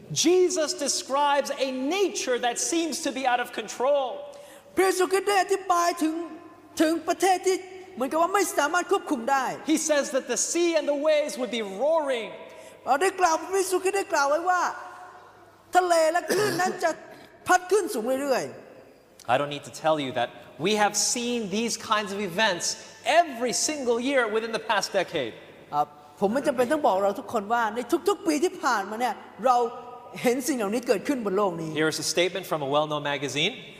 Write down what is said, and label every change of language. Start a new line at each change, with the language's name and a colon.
English: Jesus describes a nature that seems to be out of control
Thai: พระเยซูคริสต์ได้อธิบายถึงประเทศที่เหมือนกับว่าไม่สามารถควบคุมได้
English: He says that the sea and the waves would be roaring
Thai: เราได้กล่าวพระเยซูคริสต์ได้กล่าวไว้ว่าทะเลและคลื่นนั้นจะพัดขึ้นสูงเรื่อย
English: ๆ I don't need to tell you that we have seen these kinds of events every single year within the past decade
Thai: ผมไม่จำเป็นต้องบอกเราทุกคนว่าในทุกๆปีที่ผ่านมาเนี่ยเราเห็นสิ่งเหล่านี้เกิดขึ้นบนโลกนี้
English: Here is a statement from a well-known magazine